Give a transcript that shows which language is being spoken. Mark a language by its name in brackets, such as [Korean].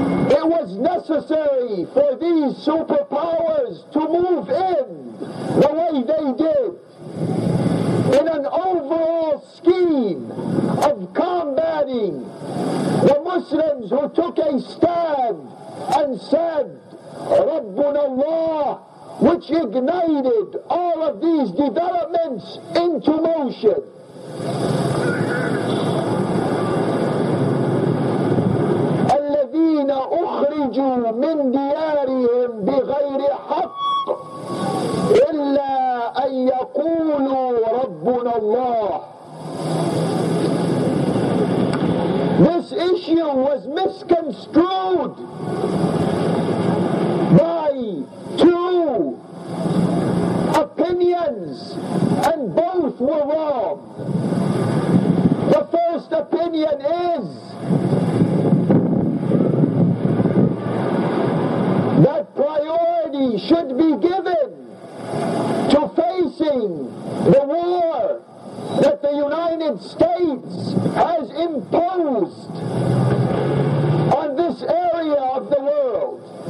[English] It was necessary for these superpowers to move in the way they did, in an overall scheme of combating the Muslims who took a stand and said, [Arabic] Rabbuna Allah, [English] which ignited all of these developments into motion. [Arabic] الذين أخرجوا من ديارهم بغير حق إلا أن يقولوا ربنا الله. [English] This issue was misconstrued by two opinions, and both were wrong. The first opinion is that priority should be given to facing the war that the United States has imposed on this area of the world.